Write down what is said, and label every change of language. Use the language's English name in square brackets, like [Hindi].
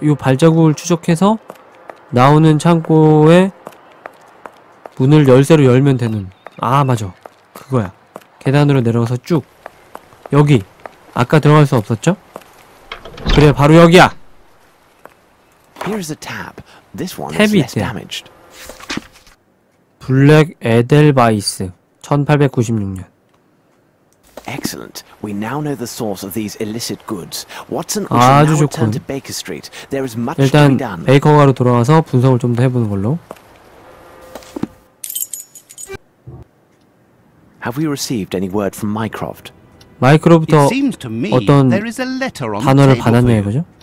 [Korean] 요 발자국을 추적해서 나오는 창고에 문을 열쇠로 열면 되는. 아 맞아 그거야. 계단으로 내려가서 쭉 여기 아까 들어갈 수 없었죠? 그래 바로 여기야. [English] Here's a tab. This one is less damaged. [Korean] 블랙 에델바이스 1896년 [English] X Excellent. We now know the source of these illicit goods. Watson, we should now return to Baker Street. There is much to be done. [Korean] 일단 베이커가로 돌아와서 분석을 좀 더 해보는 걸로. [English] Have we received any word from Mycroft? [Korean] 마이크로부터 어떤 단어를 받았네요, 그죠?